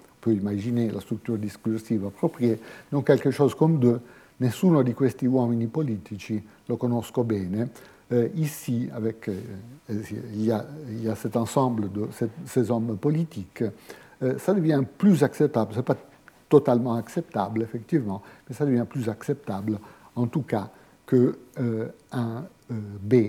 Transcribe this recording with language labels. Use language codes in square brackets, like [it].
[fr] On peut imaginer la structure discursive appropriée, donc quelque chose comme deux. [it] Nessuno di questi uomini politici lo conosco bene. [fr] Ici, avec, il y a cet ensemble de ces hommes politiques, ça devient plus acceptable. Ce n'est pas totalement acceptable, effectivement, mais ça devient plus acceptable, en tout cas, qu'un B.